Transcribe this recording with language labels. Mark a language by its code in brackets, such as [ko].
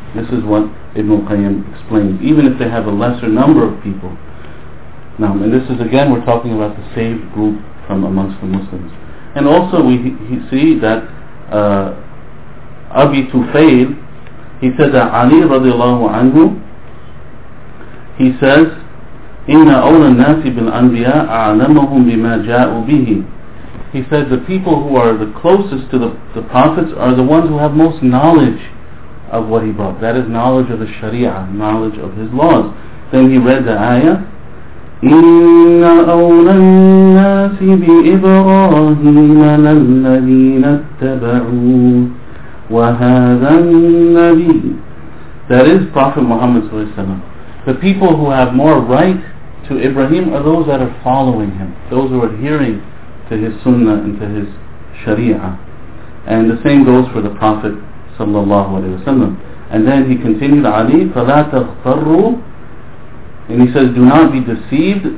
[en] This is what Ibn al-Qayyim explains, even if they have a lesser number of people. Now, and this is again, we're talking about the saved group from amongst the Muslims. And also we see that Abi Tufayl, he said that Ali radiallahu anhu, he says [ar] إن أولى الناس بالأنبياء أعلمهم بما جاءوا به. [en] He said the people who are the closest to the prophets are the ones who have most knowledge of what he brought. That is knowledge of the Sharia, knowledge of his laws. Then he read the ayah. [ar] إن أولى الناس بإبراهيم الذين اتبعوا وهذا النبي. [en] That is Prophet Muhammad ﷺ. The people who have more right to Ibrahim are those that are following him, those who are adhering to his sunnah and to his sharia. And the same goes for the Prophet ﷺ. And then he continued, Ali, [ar] فَلَا تَغْفَرُّوا. [en] And he says, do not be deceived.